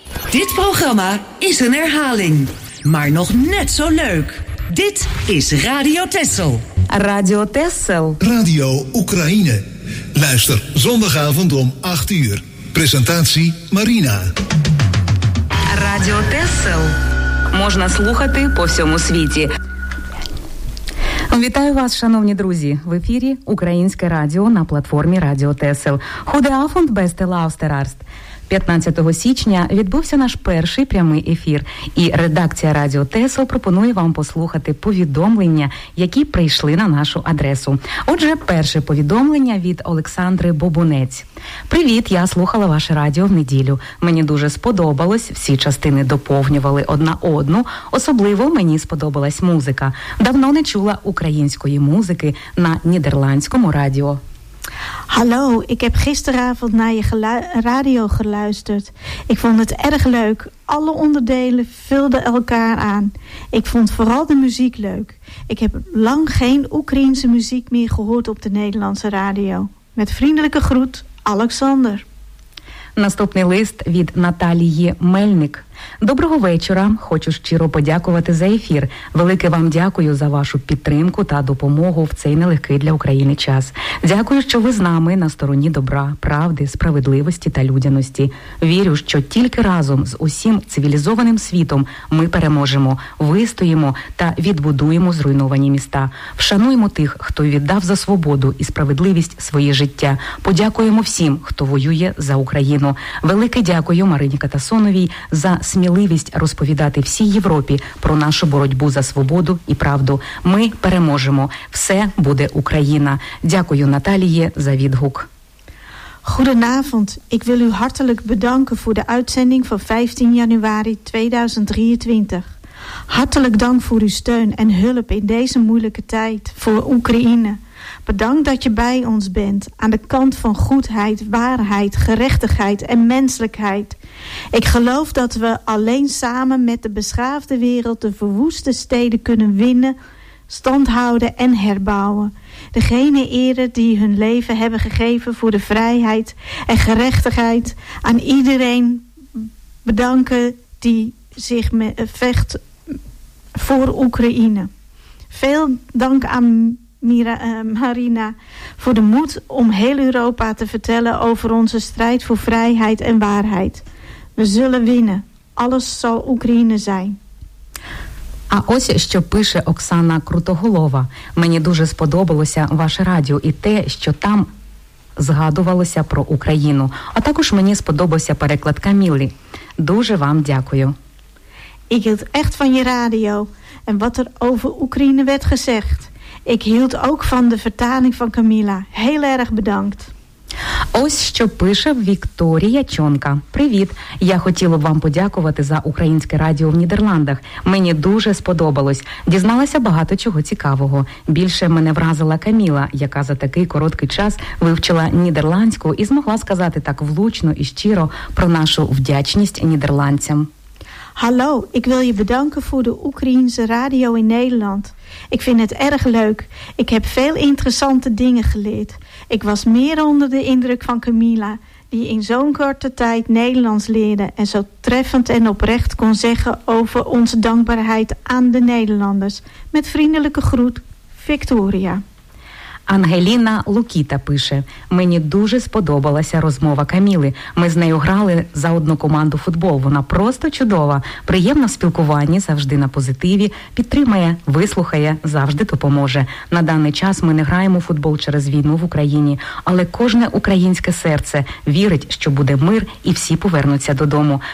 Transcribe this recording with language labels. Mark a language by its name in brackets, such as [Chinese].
[Dutch] Dit programma is een herhaling, maar nog net zo leuk. Dit is Radio Texel. Radio Texel. Radio Oekraïne. Luister zondagavond om 8 uur. Presentatie Marina. [Ukrainian] Радіо Тесел. Можна слухати по всьому світі. Вітаю вас, шановні друзі. В ефірі Українське радіо на платформі Радіо Тесел. [Dutch] Худе афунд бесте лаустерарст. [Ukrainian] 15 січня відбувся наш перший прямий ефір. І редакція Радіо Тесел пропонує вам послухати повідомлення, які прийшли на нашу адресу. Отже, перше повідомлення від Олександри Бобунець. Привіт, я слухала ваше радіо в неділю. Мені дуже сподобалось, всі частини доповнювали одна одну. Особливо мені сподобалась музика. Давно не чула української музики на нідерландському радіо. [Dutch] Hallo, ik heb gisteravond naar je radio geluisterd. Ik vond het erg leuk. Alle onderdelen vulden elkaar aan. Ik vond vooral de muziek leuk. Ik heb lang geen Oekraïense muziek meer gehoord op de Nederlandse radio. Met vriendelijke groet, Alexander. [Ukrainian] Наступний лист від Наталії Мельник. Доброго вечора. Хочу щиро подякувати за ефір. Велике вам дякую за вашу підтримку та допомогу в цей нелегкий для України час. Дякую, що ви з нами на стороні добра, правди, справедливості та людяності. Вірю, що тільки разом з усім цивілізованим світом ми переможемо, вистоїмо та відбудуємо зруйновані міста. Вшануємо тих, хто віддав за свободу і справедливість своє життя. Подякуємо всім, хто воює за Україну. Велике дякую Марині Катасоновій за сміливість розповідати всій Європі про нашу боротьбу за свободу і правду. Ми переможемо. Все буде Україна. Дякую, Наталії, за відгук. [Dutch] Goedenavond. Ik wil u hartelijk bedanken voor de uitzending van 15 januari 2023. Hartelijk dank voor uw steun en hulp in deze moeilijke tijd voor Oekraïne. Bedankt dat je bij ons bent, aan de kant van goedheid, waarheid, gerechtigheid en menselijkheid. Ik geloof dat we alleen samen met de beschaafde wereld de verwoeste steden kunnen winnen, standhouden en herbouwen. Degene ere die hun leven hebben gegeven voor de vrijheid en gerechtigheid. Aan iedereen bedanken die zich vecht voor Oekraïne. Veel dank aan Marina, voor de moed om heel Europa te vertellen over onze strijd voor vrijheid en waarheid. We zullen winnen. Alles zal Oekraïne zijn. [Ukrainian] А ось що пише Оксана Крутоголова. Мені дуже сподобалося ваше радіо і те, що там згадувалося про Україну. А також мені сподобався переклад Камілі. Дуже вам дякую. [Dutch] Ik hield echt van je radio en wat er over Oekraïne werd gezegd. Ik hield ook van de vertaling van Camilla. Heel erg bedankt. [Ukrainian] Ось що пише Вікторія Чонка. Привіт. Я хотіла б вам подякувати за українське радіо в Нідерландах. Мені дуже сподобалось. Дізналася багато чого цікавого. Більше мене вразила Каміла, яка за такий короткий час вивчила нідерландську і змогла сказати так влучно і щиро про нашу вдячність нідерландцям. [Dutch] Hallo, ik wil je bedanken voor de Oekraïense radio in Nederland. Ik vind het erg leuk. Ik heb veel interessante dingen geleerd. Ik was meer onder de indruk van Camilla, die in zo'n korte tijd Nederlands leerde en zo treffend en oprecht kon zeggen over onze dankbaarheid aan de Nederlanders. Met vriendelijke groet, Victoria. [Ukrainian] Ангеліна Лукіта пише: «Мені дуже сподобалася розмова Каміли. Ми з нею грали за одну команду футбол. Вона просто чудова. Приємно в спілкуванні, завжди на позитиві. Підтримає, вислухає, завжди допоможе. На даний час ми не граємо футбол через війну в Україні. Але кожне українське серце вірить, що буде мир і всі повернуться додому.